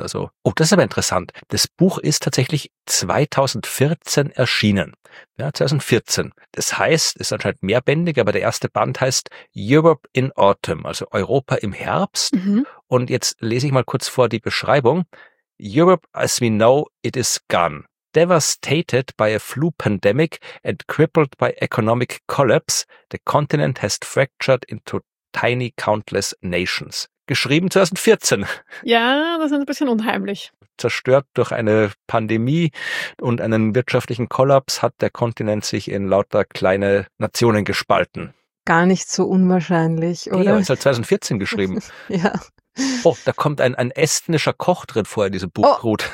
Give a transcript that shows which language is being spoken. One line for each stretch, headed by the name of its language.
German: Also, oh, das ist aber interessant. Das Buch ist tatsächlich 2014 erschienen. Ja, 2014. Das heißt, ist anscheinend mehrbändig, aber der erste Band heißt Europe in Autumn, also Europa im Herbst. Mhm. Und jetzt lese ich mal kurz vor die Beschreibung.
English: Europe as we know it is gone. Devastated by a flu pandemic and crippled by economic collapse, the continent has fractured into tiny countless nations.
German: geschrieben, 2014. Ja, das ist ein bisschen unheimlich. Zerstört durch eine Pandemie und einen wirtschaftlichen Kollaps hat der Kontinent sich in lauter kleine Nationen gespalten. Gar nicht so unwahrscheinlich, oder? Ja, ist halt 2014 geschrieben. Ja. Oh, da kommt ein estnischer Koch drin vorher, diese Buchrut.